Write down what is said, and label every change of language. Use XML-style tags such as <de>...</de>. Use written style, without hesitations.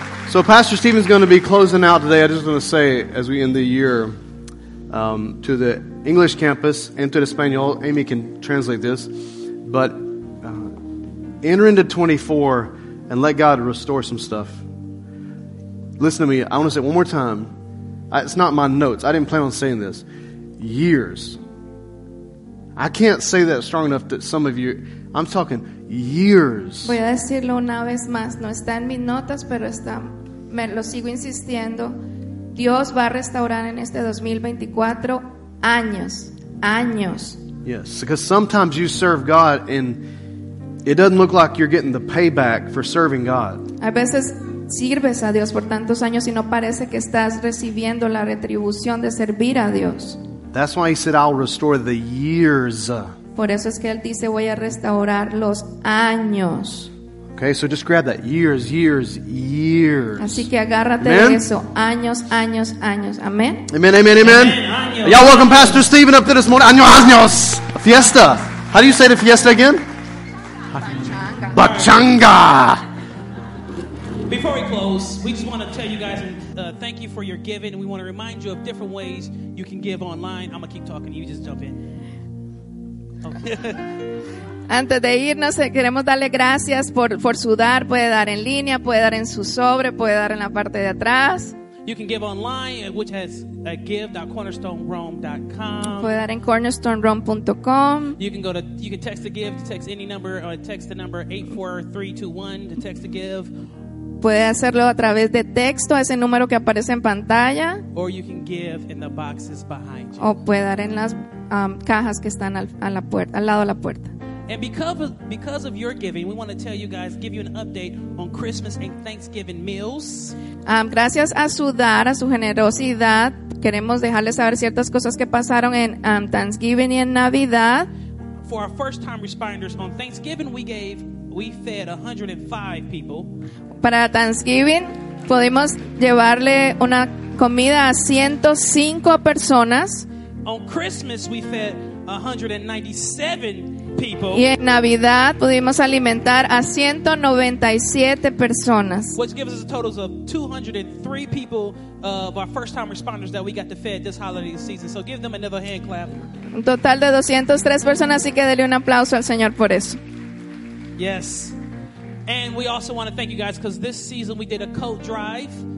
<en>So Pastor Stephen's going to be closing out today. I just want to say, as we end the year, to the English campus and to the Espanol, Amy can translate this, but enter into 24 and let God restore some stuff. Listen to me. I want to say it one more time. It's not my notes. I didn't plan on saying this. Years. I can't say that strong enough that some of you, I'm talking years.</en> <es>Voy a decirlo una vez más, no está en mis notas, pero está, me lo sigo insistiendo. Dios va a restaurar en este 2024 años, años.</es> <en>Yes, because sometimes you serve God and it doesn't look like you're getting the payback for serving God.</en> <es>A veces sirves a Dios por tantos años y no parece que estás recibiendo la retribución de servir a Dios.</es> <en>That's why he said, I'll restore the years.</en> <es>Por eso es que él dice, voy a restaurar los años.</es> <en>Okay, so just grab that. Years, years, years.</en> <es>Así que agárrate de eso. Años, años, años. Amen.</es> <en>Amen, amen, amen. Amen. Y'all welcome Pastor Stephen up there this morning.</en> <es>Años, años.</es> <en>Fiesta. How do you say the fiesta again?</en> <es>Bachanga. Bachanga.</es> <en>Before we close, we just want to tell you guys, thank you for your giving. We want to remind you of different ways you can give online. I'm going to keep talking. You just jump in. Okay.</en> <es>Antes de irnos, queremos darle gracias por su dar. Puede dar en línea, puede dar en su sobre, puede dar en la parte de atrás.</es> <en>You can give online, which has give.cornerstonerome.com.</en> <es>Puede dar en cornerstonerome.com.</es> <en>You can text the give to text any number, or text the number 84321 to text the give.</en> <es>Puede hacerlo a través de texto a ese número que aparece en pantalla.</es> <en>Or you can give in the boxes behind you.</en> <es>O puede dar en las cajas que están al lado de la puerta.</es> <en>And because of your giving, we want to tell you guys, give you an update on Christmas and Thanksgiving meals.</en> <es>Gracias a su dar, a su generosidad, queremos dejarles saber ciertas cosas que pasaron en Thanksgiving y en Navidad.</es> <en>For our first time responders, on Thanksgiving we fed 105 people.</en> <es>Para Thanksgiving pudimos llevarle una comida a 105 personas.</es> <en>On Christmas we fed 197 people.</en> <es>Y en Navidad pudimos alimentar a 197 personas.</es> <en>Which gives us a total of 203 people of our first time responders that we got to feed this holiday season. So give them another hand clap.</en> <es>Un total de 203 personas, así que dele un aplauso al Señor por eso.</es> <en>Yes. And we also want to thank you guys because this season we did a coat drive.</en>